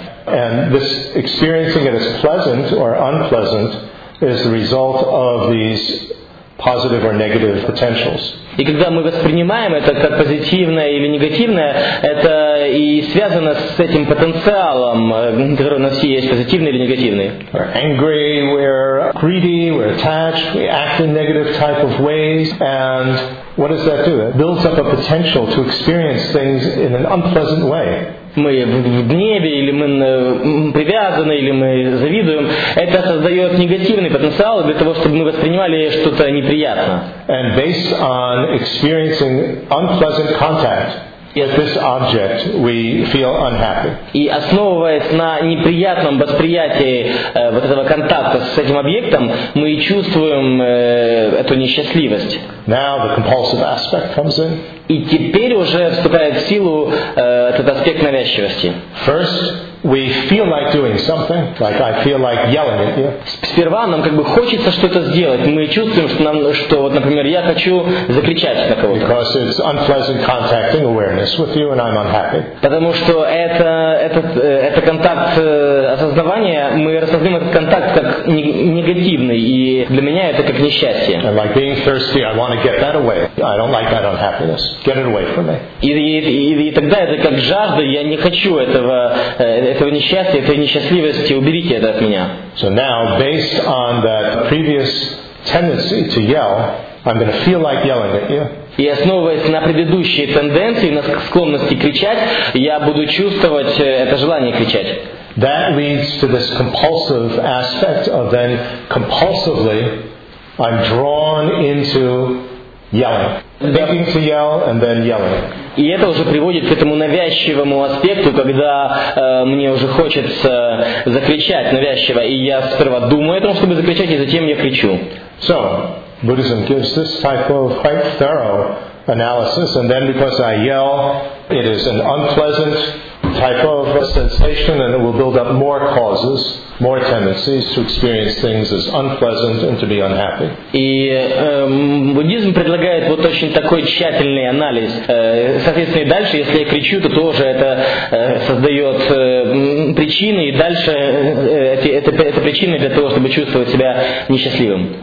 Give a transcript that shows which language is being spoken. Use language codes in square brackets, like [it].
[en] And this experiencing it as pleasant or unpleasant is the result of these positive or negative potentials. [ru] И когда мы воспринимаем это как позитивное или негативное, это и связано с этим потенциалом, который у нас есть, позитивный или негативный. [en] We're angry, we're greedy, we're attached, we act in negative type of ways, and what does that do? It builds up a potential to experience things in an unpleasant way. [ru] Мы в гневе, или мы привязаны, или мы завидуем. Это создает негативный потенциал для того, чтобы мы воспринимали что-то неприятно. [en] And based on experiencing unpleasant contact with this object, we feel unhappy. [ru] И основываясь на неприятном восприятии вот этого контакта с этим объектом, мы чувствуем эту несчастливость. [en] Now the compulsive aspect comes in. [ru] И теперь уже вступает в силу этот аспект навязчивости. [en] First, we feel like doing something, like I feel like yelling at you. [ru] Сперва нам как бы хочется что-то сделать. Мы чувствуем, что нам, что вот, например, я хочу закричать на кого-то. [en] Because it's unpleasant contacting awareness with you, and I'm unhappy. [ru] Потому что это контакт осознавания, мы распознаем этот контакт как негативный, и для меня это как несчастье. [en] And like being thirsty, I want to get that away. I don't like that unhappiness. Get it away from me. [ru] И тогда это как жажда, я не хочу этого несчастья, этой несчастливости, уберите это от меня. [en] So now, based on that previous tendency to yell, I'm going to feel like yelling at you. [ru] И основываясь на предыдущей тенденции, на склонности кричать, я буду чувствовать это желание кричать. [en] That leads to this compulsive aspect of then compulsively I'm drawn into yelling. Begging to yell and then yelling. [ru] И это уже приводит к этому навязчивому аспекту, когда мне уже хочется закричать навязчиво, и я сперва думаю о том, чтобы закричать, и затем я кричу. [en] So, Buddhism gives this type of quite thorough analysis, and then because I yell, it is an unpleasant type of sensation, and it will build up more causes, more tendencies to experience things as unpleasant and to be unhappy. [ru] И буддизм предлагает вот очень такой тщательный анализ. Соответственно, и дальше, если я кричу, то тоже это создает причины, и дальше это причины для того, чтобы чувствовать себя несчастливым.